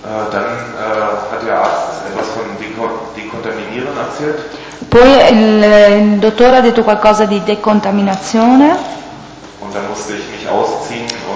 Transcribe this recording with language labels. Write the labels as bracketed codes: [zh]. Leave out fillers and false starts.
[de] Dann hat der Arzt etwas von Dekontaminieren erzählt. [it] Poi il dottore ha detto qualcosa di decontaminazione. [de] Und dann musste ich mich ausziehen